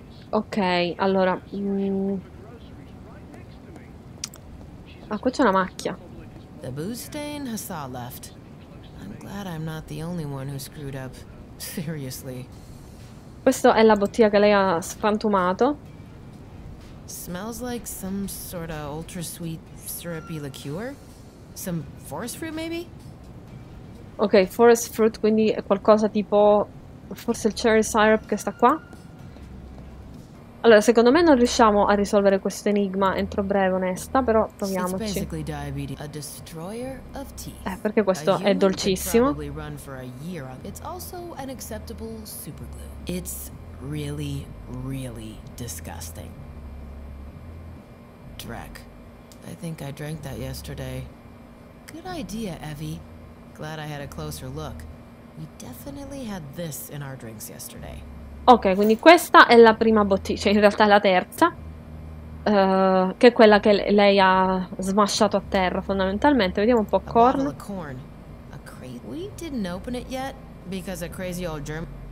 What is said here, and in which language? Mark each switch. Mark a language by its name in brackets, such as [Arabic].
[Italian] Ok, allora. Ah, qua c'è una macchia. [English] The booze stain Hassan left. I'm glad I'm not the only one who screwed up. Seriously. [Italian] Questa è la bottiglia che lei ha sfrantumato. [English] Smells like some sort of ultra sweet syrupy liqueur? Some forest fruit maybe? [Italian] Ok, forest fruit, quindi è qualcosa tipo forse il cherry syrup che sta qua. Allora, secondo me non riusciamo a risolvere questo enigma entro breve, onesta, però proviamoci. [English] It's basically diabetes, a destroyer of teeth. [Italian] Perché questo è dolcissimo. [English] It's also an acceptable superglue. It's really really disgusting. Drek. I think I drank that yesterday. Good idea, Evie. Glad I had a closer look. We definitely had this in our drinks yesterday. [Italian] Ok, quindi questa è la prima bottiglia, cioè in realtà è la terza, che è quella che lei ha smashato a terra fondamentalmente. Vediamo un po' corn. [English] We didn't open it yet because a crazy old German.